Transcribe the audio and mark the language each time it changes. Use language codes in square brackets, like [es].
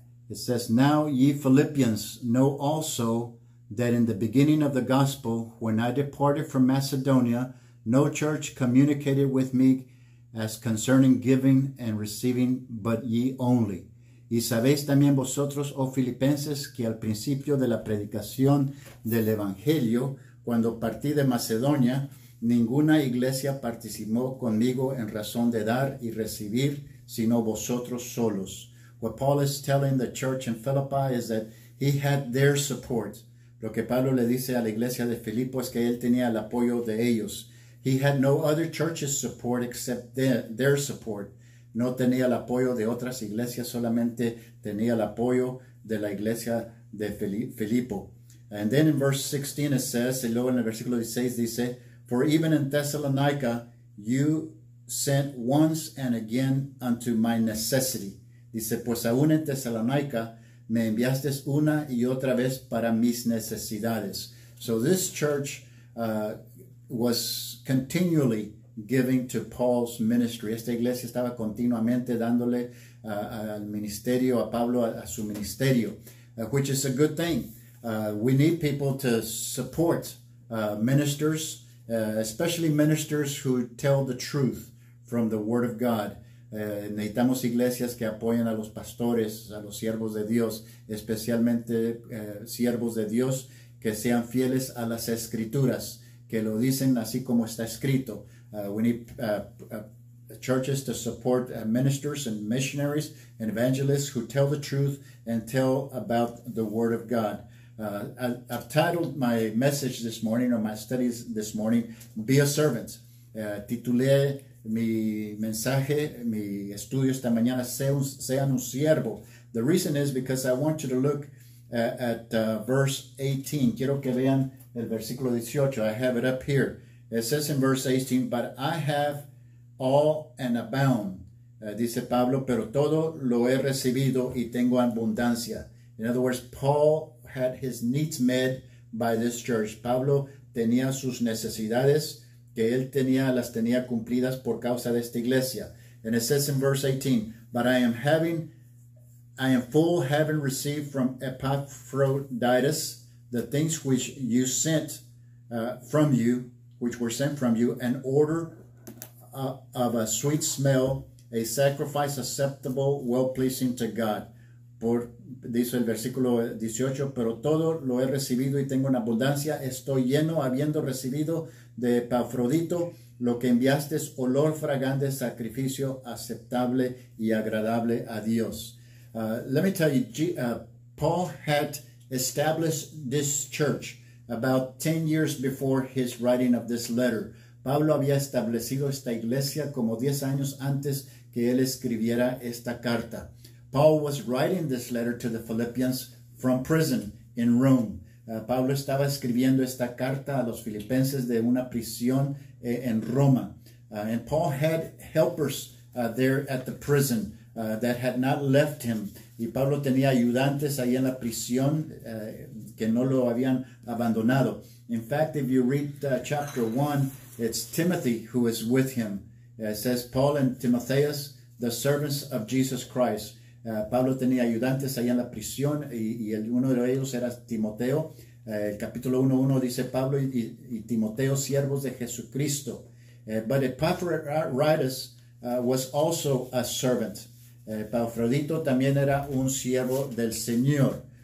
[en] It says, now ye Philippians know also that in the beginning of the gospel, when I departed from Macedonia, no church communicated with me as concerning giving and receiving, but ye only. [es] Y sabéis también vosotros, oh Filipenses, que al principio de la predicación del Evangelio, cuando partí de Macedonia, ninguna iglesia participó conmigo en razón de dar y recibir, sino vosotros solos. [en] What Paul is telling the church in Philippi is that he had their support. [es] Lo que Pablo le dice a la iglesia de Filipo es que él tenía el apoyo de ellos. [en] He had no other church's support except their support. [es] No tenía el apoyo de otras iglesias, solamente tenía el apoyo de la iglesia de Filipo. [en] And then in verse 16 it says, [es] y luego en el versículo 16 dice, [en] for even in Thessalonica you sent once and again unto my necessity. [es] Dice, pues aún en Thessalonica me enviaste una y otra vez para mis necesidades. [en] So this church was continually giving to Paul's ministry. [es] Esta iglesia estaba continuamente dándole al ministerio, a Pablo, a su ministerio, [en] which is a good thing. We need people to support ministers, especially ministers who tell the truth from the Word of God. [es] Necesitamos iglesias que apoyen a los pastores, a los siervos de Dios, especialmente siervos de Dios que sean fieles a las Escrituras, que lo dicen así como está escrito. [en] We need churches to support ministers and missionaries and evangelists who tell the truth and tell about the Word of God. I've titled my message this morning, or my studies this morning, Be a Servant. [es] Titulé mi mensaje, mi estudio esta mañana, Sean un Siervo. [en] The reason is because I want you to look at verse 18. [es] Quiero que vean el versículo 18. [en] I have it up here. It says in verse 18, but I have all and abound. [es] Dice Pablo, pero todo lo he recibido y tengo abundancia. [en] In other words, Paul had his needs met by this church. [es] Pablo tenía sus necesidades que él tenía, las tenía cumplidas por causa de esta iglesia. [en] And it says in verse 18, but I am full having received from Epaphroditus the things which you sent from you, which were sent from you, an odor of a sweet smell, a sacrifice acceptable, well-pleasing to God. [es] Dice el versículo 18, pero todo lo he recibido y tengo en abundancia, estoy lleno habiendo recibido de Epafrodito lo que enviaste, es olor fragante, sacrificio aceptable y agradable a Dios. [en] Let me tell you, Paul had established this church. about 10 years before his writing of this letter. [es] Pablo había establecido esta iglesia como 10 años antes que él escribiera esta carta. [en] Paul was writing this letter to the Philippians from prison in Rome. [es] Pablo estaba escribiendo esta carta a los filipenses de una prisión en Roma. [en] And Paul had helpers there at the prison that had not left him. [es] Y Pablo tenía ayudantes ahí en la prisión que no lo habían abandonado. [en] In fact, if you read chapter 1, it's Timothy who is with him. It says, Paul and Timotheus, the servants of Jesus Christ. [es] Pablo tenía ayudantes allá en la prisión y uno de ellos era Timoteo. El capítulo 1:1 dice Pablo y Timoteo, siervos de Jesucristo. [en] But Epaphroditus was also a servant. [es] Epafrodito también era un siervo del Señor.